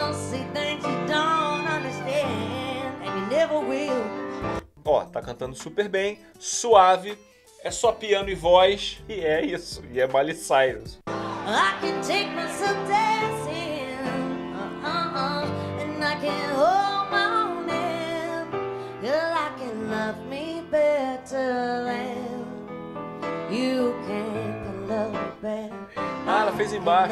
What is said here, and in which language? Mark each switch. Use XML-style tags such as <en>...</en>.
<en>See things you don't understand. And you never will.</en> <pt>Ó, tá cantando super bem, suave, é só piano e voz, e é isso, e é Miley Cyrus.</pt> <en>I can take myself dancing, and I can hold my own hand. Girl, I can love me better than you can love me better.</en> <pt>Ah, ela fez embaixo.</pt>